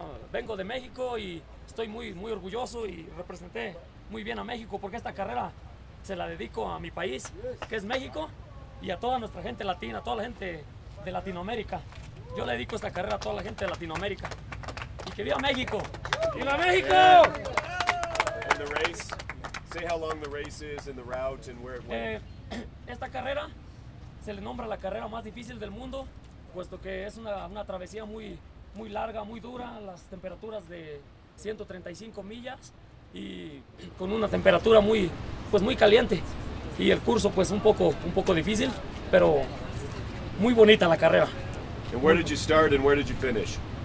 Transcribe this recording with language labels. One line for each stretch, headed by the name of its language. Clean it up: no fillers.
Spanish: Vengo de México y estoy muy, muy orgulloso y representé muy bien a México porque esta carrera se la dedico a mi país, que es México, y a toda nuestra gente latina, toda la gente de Latinoamérica. Yo le dedico esta carrera a toda la gente de Latinoamérica. ¡Y que viva México! ¡Viva México!
English: And the race, say how long the race is and the route and where it went.
Spanish: Esta carrera se le nombra la carrera más difícil del mundo, puesto que es una travesía muy... muy larga, muy dura, las temperaturas de 135 millas y con una temperatura muy, pues muy caliente y el curso pues un poco difícil, pero muy bonita la carrera.
English: And where did you start and where did you finish?